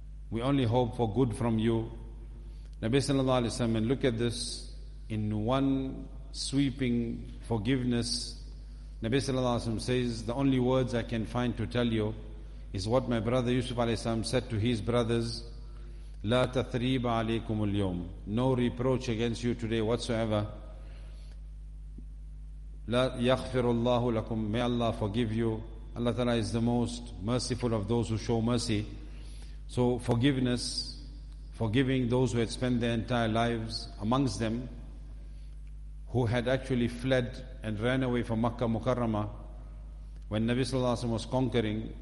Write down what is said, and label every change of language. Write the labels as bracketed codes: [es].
[en] We only hope for good from you. Nabi sallallahu alayhi wa sallam, and look at this, in one sweeping forgiveness, Nabi sallallahu alayhi wa sallam says, the only words I can find to tell you is what my brother Yusuf alayhi wa sallam said to his brothers, [ar] لا تثريب عليكم اليوم, [en] no reproach against you today whatsoever. [ar] لا يغفر الله لكم, [en] may Allah forgive you. Allah Ta'ala is the most merciful of those who show mercy. So forgiveness, forgiving those who had spent their entire lives amongst them, who had actually fled and ran away from Makkah Mukarramah when Nabi sallallahu alayhi wa sallam was conquering.